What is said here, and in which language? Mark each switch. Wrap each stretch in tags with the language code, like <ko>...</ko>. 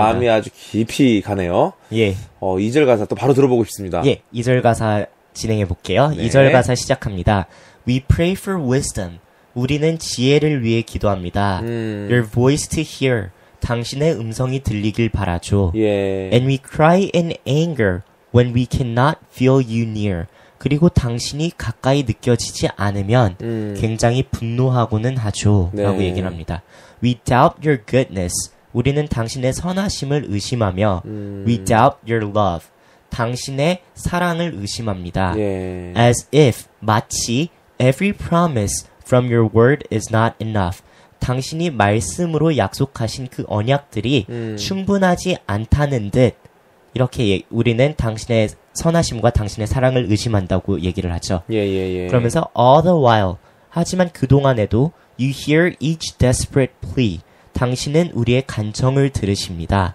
<ko>마음이 아주 깊이 가네요. 예. 2절 가사 또 바로 들어보고 싶습니다. 예, 2절 가사 진행해 볼게요. 네. 2절 가사 시작합니다.</ko> <en>We pray for wisdom.</en> <ko>우리는 지혜를 위해 기도합니다.</ko> <en>Your voice to hear.</en> <ko>당신의 음성이 들리길 바라죠. 예.</ko> <en>And we cry in anger when we cannot feel you near.</en> <ko>그리고 당신이 가까이 느껴지지 않으면 굉장히 분노하고는 하죠. 네. 라고 얘기를 합니다.</ko> <en>We doubt your goodness.</en> <ko>우리는 당신의 선하심을 의심하며</ko> <en>We doubt your love.</en> <ko>당신의 사랑을 의심합니다. 예.</ko> <en>As if,</en> <ko>마치</ko> <en>every promise from your word is not enough.</en> <ko>당신이 말씀으로 약속하신 그 언약들이 충분하지 않다는 듯 이렇게 우리는 당신의 선하심과 당신의 사랑을 의심한다고 얘기를 하죠. 예예예. 예, 예. 그러면서</ko> <en>all the while</en> <ko>하지만 그동안에도</ko> <en>you hear each desperate plea</en> <ko>당신은 우리의 간청을 들으십니다.</ko>